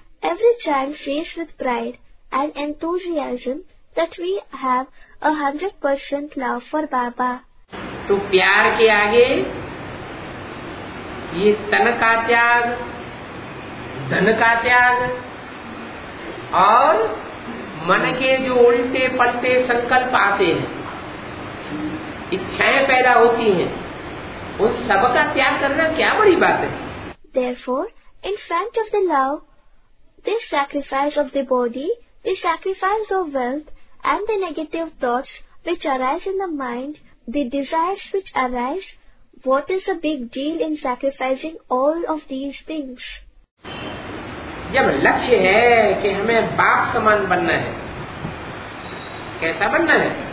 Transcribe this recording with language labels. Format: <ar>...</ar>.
<en>Every child says with pride and enthusiasm that we have 100% love for Baba.</en> <hi>तो प्यार के आगे ये तन का त्याग, धन का त्याग और मन के जो उल्टे पलटे संकल्प आते हैं, इच्छाएं पैदा होती हैं, उन सब का त्याग करना क्या बड़ी बात है।</hi> <en>Therefore, in front of the love, this sacrifice of the body, the sacrifice of wealth and the negative thoughts which arise in the mind, the desires which arise, what is the big deal in sacrificing all of these things?</en> <hi>जब लक्ष्य है कि हमें बाप समान बनना है, कैसा बनना है?</hi>